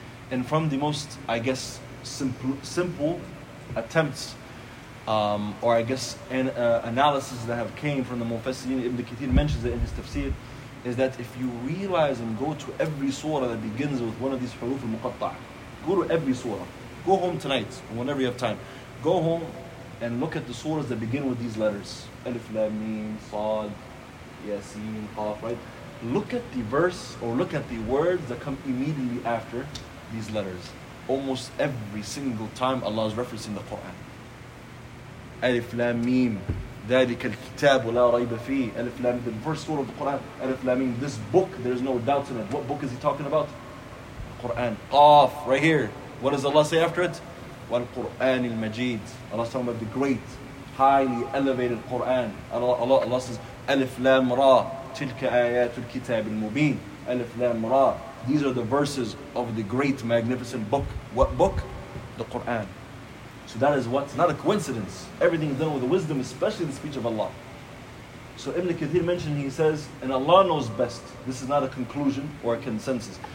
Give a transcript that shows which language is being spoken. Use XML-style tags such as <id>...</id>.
<en>and from the most, I guess, simple attempts, or I guess analysis that have came from the Mufassirin, Ibn Kathir mentions it in his tafsir, is that if you realize and go to every surah that begins with one of these huruf al-muqatta'ah, go to every surah, go home tonight, whenever you have time, go home and look at the surahs that begin with these letters, Alif, Lam, Mim, Sad, Yasin, Qaf, right? Look at the verse or look at the words that come immediately after these letters. Almost every single time Allah is referencing the Quran.</en> <ar>Alif, Lam, Mim, ذلك الكتاب ولا ريب فيه.</ar> <en>Alif, Lam, the first surah of the Quran. Alif, Lam, Mim, this book, there's no doubt in it. What book is he talking about? The Quran. Qaf, right here. What does Allah say after it?</en> <ar>والقرآن المجيد.</ar> <en>Allah is talking about the great, highly elevated Quran. Allah says,</en> <ar>Alif, Lam, Ra, تلك آيات الكتاب المبين. Alif, Lam, Ra.</ar> <en>These are the verses of the great, magnificent book. What book? The Quran. So that is what, not a coincidence. Everything is done with the wisdom, especially in the speech of Allah. So Ibn Kathir mentioned, he says, and Allah knows best. This is not a conclusion or a consensus.</en>